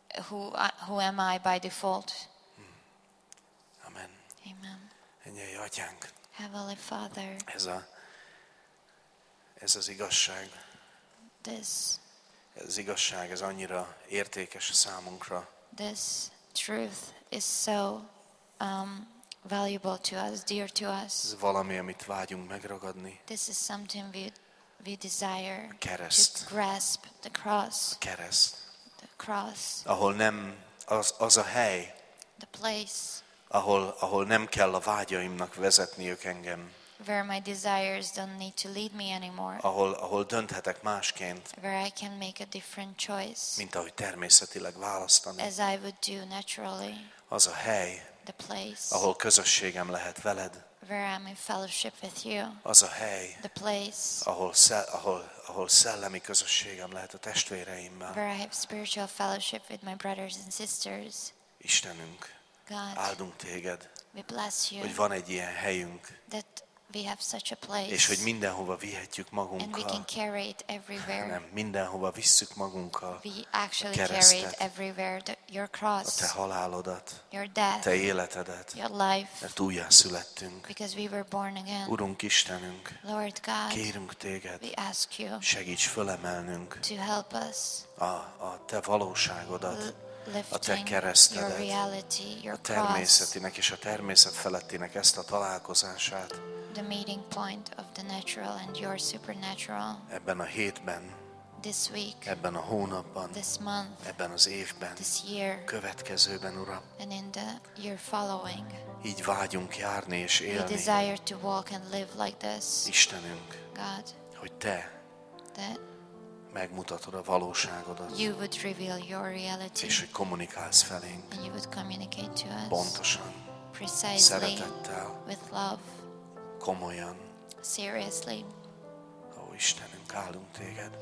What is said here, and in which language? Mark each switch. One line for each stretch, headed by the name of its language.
English: Who am I by default?
Hungarian: Amen. Ennyi atyánk.
English: Heavenly Father.
Hungarian: Ez az igazság.
English: This.
Hungarian: Ez az igazság, ez annyira értékes a számunkra.
English: This truth is so valuable to us, dear to us.
Hungarian: Ez valami, amit vágyunk megragadni.
English: This is something we desire.
Hungarian: A kereszt.
English: To grasp the cross.
Hungarian: A kereszt.
English: The cross.
Hungarian: Ahol nem az a hely.
English: The place.
Hungarian: Ahol nem kell a vágyaimnak vezetni ők engem.
English: where my desires don't need to lead me anymore.
Hungarian: Ahol dönthetek másként.
English: Where I can make a different choice.
Hungarian: Mint ahogy természetileg választani.
English: As I would do naturally.
Hungarian: Az a hely.
English: The place.
Hungarian: Ahol közösségem lehet veled.
English: Where I'm in fellowship with you.
Hungarian: Az a hely.
English: The place.
Hungarian: Ahol szellemi közösségem lehet a testvéreimmel.
English: Where I have spiritual fellowship with my brothers and sisters.
Hungarian: Istenünk.
English: God.
Hungarian: Áldunk téged.
English: We bless you.
Hungarian: Hogy van egy ilyen helyünk.
English: That we have such a place.
Hungarian: És hogy mindenhova vihetjük magunkkal.
English: And we can carry it everywhere.
Hungarian: Nem, mindenhova visszük magunkkal.
English: We actually carry it everywhere, your cross.
Hungarian: A te halálodat.
English: Your death.
Hungarian: Te életedet.
English: Your life.
Hungarian: Mert újjá születtünk.
English: Because we were born again.
Hungarian: Urunk Istenünk.
English: Lord God.
Hungarian: Kérünk téged.
English: We ask you.
Hungarian: Segíts fölemelnünk.
English: To help us.
Hungarian: A te valóságodat.
English: Lifting
Hungarian: a te keresztedet,
English: your reality, your
Hungarian: a természetinek és a természet felettinek ezt a találkozását.
English: The meeting point of the natural and your supernatural.
Hungarian: Ebben a hétben.
English: This week.
Hungarian: Ebben a hónapban.
English: This month.
Hungarian: Ebben az évben.
English: This year.
Hungarian: Következőben, Uram.
English: And in the year following.
Hungarian: Így vágyunk járni és élni.
English: We desire to walk and live like this.
Hungarian: Istenünk.
English: God.
Hungarian: Hogy te.
English: That.
Hungarian: Megmutatod a valóságodat.
English: You would reveal your reality.
Hungarian: És hogy kommunikálsz felénk.
English: And you would communicate to us.
Hungarian: Pontosan.
English: Precisely.
Hungarian: Szeretettel.
English: With love.
Hungarian: Komolyan.
English: Seriously.
Hungarian: Ó, Istenünk, áldunk téged.